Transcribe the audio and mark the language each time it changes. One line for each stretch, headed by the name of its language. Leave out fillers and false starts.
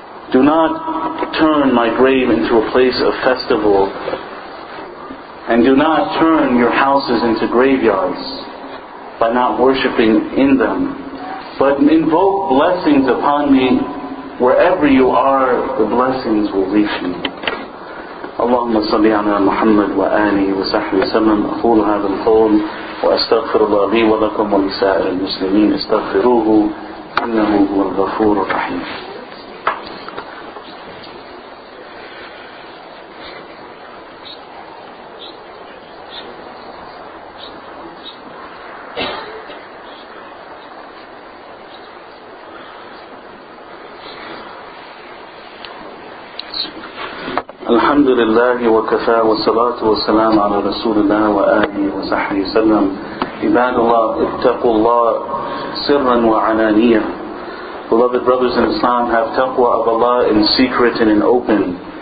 English: Do not turn my grave into a place of festival. And do not turn your houses into graveyards by not worshipping in them. But invoke blessings upon me wherever you are, the blessings will reach you.
Arabic: اللهم صل على محمد وآله وصحبه وسلم. أقول هذا القول وأستغفر الله لي ولكم ولسائر المسلمين. استغفروه إنه هو الغفور الرحيم. الحمد لله وكفى والصلاة والسلام على رسول الله وآله وصحبه وسلم. عباد الله اتقوا الله سرا وعلانية.
English: Beloved brothers in Islam, have taqwa of Allah in secret and in open.